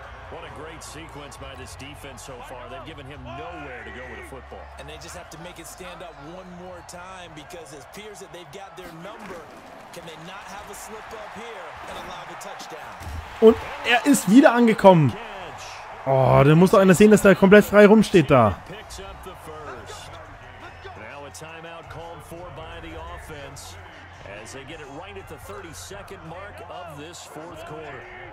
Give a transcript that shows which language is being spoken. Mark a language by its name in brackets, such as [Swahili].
[English] What a great sequence by this defense so far. They've given him nowhere to go with the football. And they just have to make it stand up one more time because it appears that they've got their number. Can they not have a slip up here and allow the touchdown? [German] Und er ist wieder angekommen. Oh, da muss doch einer sehen, dass der komplett frei rumsteht da. [English] Now a timeout called for by the offense as they get it right at the 30-second mark of this fourth quarter.